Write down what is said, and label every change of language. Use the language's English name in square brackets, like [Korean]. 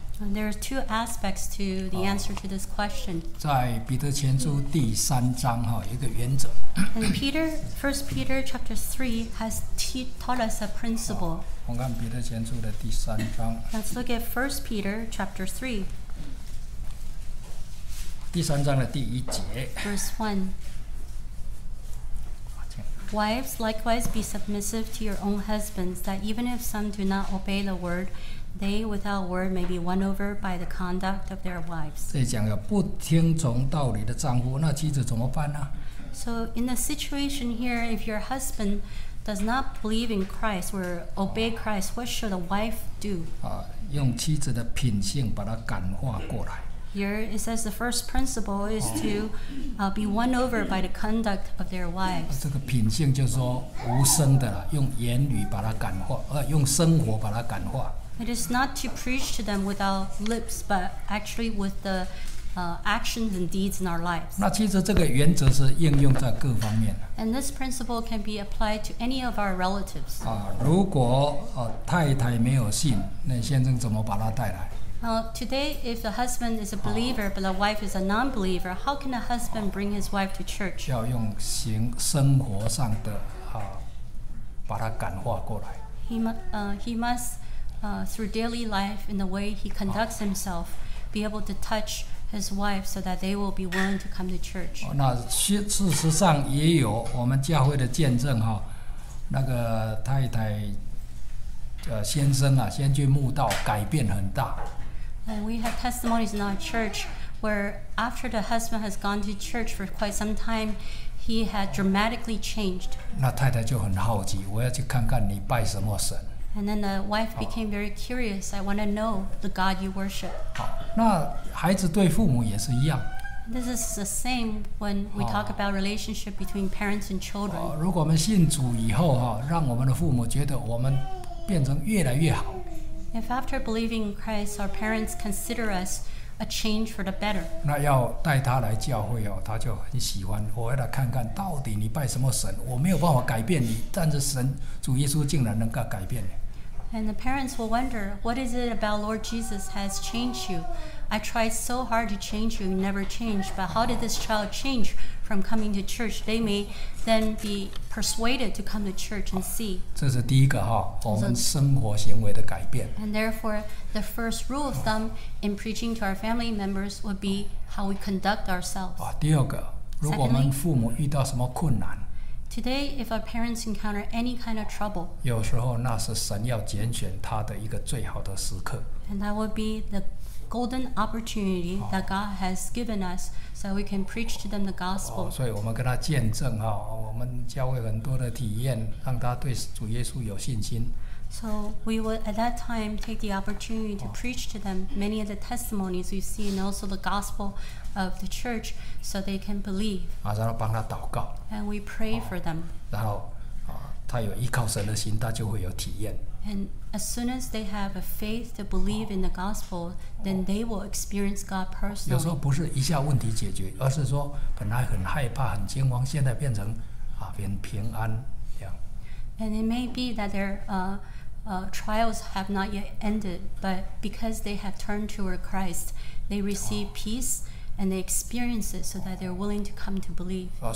[English] There are two aspects to the answer to this question [Chinese] 在彼得前书第三章 一个原则 [English] And Peter, 1 Peter chapter 3 has taught us a principle. [Chinese] 我们看彼得前书的第三章。 [English] Let's look at 1 Peter chapter 3. [Chinese] 第三章的第一节。 [English] Verse 1. Wives, likewise be submissive to your own husbands, that even if some do not obey the word, they without word may be won over by the conduct of their wives. [Chinese] 这讲有不听从道理的丈夫, 那妻子怎么办呢? [English] So in the situation here, if your husband does not believe in Christ or obey Christ, what should a wife do? [Chinese] 用妻子的品性把他感化过来。 [English] Here it says the first principle is to be won over by the conduct of their wives. [Chinese] 这个品性就是说无声的啦, 用言语把他感化, 用生活把他感化。 [English] It is not to preach to them without lips, but actually with the actions and deeds in our lives. And this principle can be applied to any of our relatives. [Chinese] 如果太太没有信, 那先生怎么把她带来? [English] Today, if a husband is a believer, but a wife is a non-believer, how can a husband bring his wife to church? [Chinese] 要用生活上的, 把她感化过来。 [English] He must, through daily life, in the way he conducts himself, be able to touch his wife so that they will be willing to come to church. [Chinese] 那事实上也有我们教会的见证, 那个太太, 先生啊, 先去慕道, 改变很大。 [English] And we have testimonies in our church where after the husband has gone to church for quite some time, he had dramatically changed. [Chinese] 那太太就很好奇, 我要去看看你拜什么神。 [English] And then the wife became very curious. I want to know the God you worship. [Chinese] 那孩子对父母也是一样。 [English] This is the same when we talk about relationship between parents and children. [Chinese] 如果我们信主以后, 让我们的父母觉得我们变成越来越好。 [English] If after believing in Christ, our parents consider us a change for the better. [Chinese] 那要带他来教会哦, 他就很喜欢, 我要来看看到底你拜什么神, 我没有办法改变你, 但是神, 主耶稣竟然能够改变你。 [English] And the parents will wonder, what is it about Lord Jesus has changed you? I tried so hard to change you, you never changed, but how did this child change from coming to church? They may then be persuaded to come to church and see. [Chinese] 这是第一个, 我们生活行为的改变。 [English] And therefore, the first rule of thumb in preaching to our family members would be how we conduct ourselves. [Chinese] 第二个, 如果我们父母遇到什么困难, [English] Today, if our parents encounter any kind of trouble, [Chinese] 有时候那是神要拣选他的一个最好的时刻。 [English] And that would be the golden opportunity that God has given us so we can preach to them the gospel. [Chinese] 所以我们跟他见证, 我们教会很多的体验, 让他对主耶稣有信心。 [English] So we would at that time take the opportunity to preach to them many of the testimonies we've seen and also the gospel of the church so they can believe. [Chinese] 然后帮他祷告, [English] and we pray for them. [Chinese] 然后, 他有依靠神的心, 他就会有体验。 [English] And as soon as they have a faith to believe in the gospel, then they will experience God personally. [Chinese] 有时候不是一下问题解决, 而是说本来很害怕, 很惊慌, 现在变成, 变平安, 这样。 [English] And it may be that their trials have not yet ended, but because they have turned toward Christ, they receive peace and they experience it so that they're willing to come to believe.